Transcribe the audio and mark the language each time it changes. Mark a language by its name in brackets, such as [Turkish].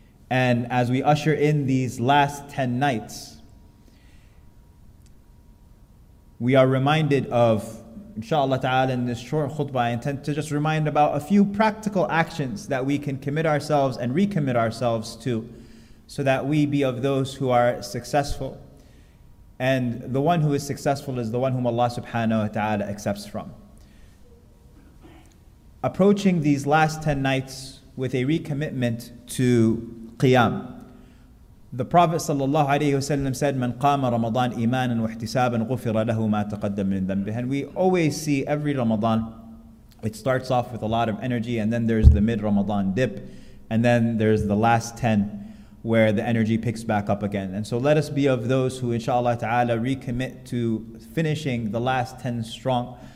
[English] And as we usher in these last 10 nights, we are reminded of, inshaAllah ta'ala, in this short khutbah, I intend to just remind about a few practical actions that we can commit ourselves and recommit ourselves to, so that we be of those who are successful. And the one who is successful is the one whom Allah subhanahu wa ta'ala accepts from. Approaching these last 10 nights with a recommitment to Qiyam. The Prophet sallallahu alayhi wa sallam said, [Arabic] مَنْ قَامَ رَمَضَانَ إِيمَانًا وَاحْتِسَابًا غُفِرَ لَهُ مَا تَقَدَّمْ مِنْ ذَنْبِهِ. [English] And we always see every Ramadan, it starts off with a lot of energy, and then there's the mid-Ramadan dip, and then there's the last 10 where the energy picks back up again. And so let us be of those who, inshallah ta'ala, recommit to finishing the last 10 strong.